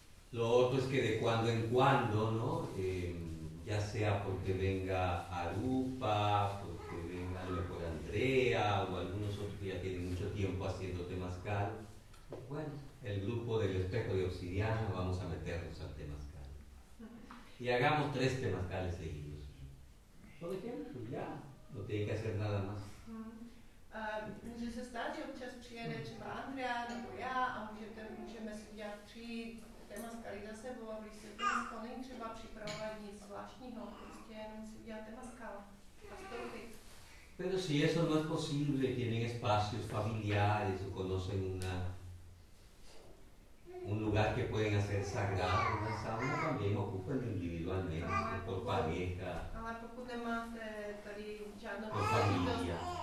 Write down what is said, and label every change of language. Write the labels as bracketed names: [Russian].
[Spanish] Lo otro es que de cuando en cuando, ¿no? Ya sea porque venga Arupa, porque venga a lo mejor Andrea o algunos otros que ya tienen mucho tiempo haciendo temazcal, bueno, el grupo del espejo de obsidiana vamos a meternos al temazcal. Y hagamos 3 temazcales seguidos. Por ejemplo, ya, no tiene que hacer nada más. [Czech] Může se stát, že občas přijede třeba Andrea nebo já a můžeme si udělat 3 temazkaly za sebou a když se to není třeba připravovat nic zvláštního, prostě jenom si udělat temazkal. [Spanish] Pero si eso no es posible, tienen espacios familiares o conocen un lugar que pueden hacer sagrado, una sauna también ocupen individualmente, por pareja, por familia.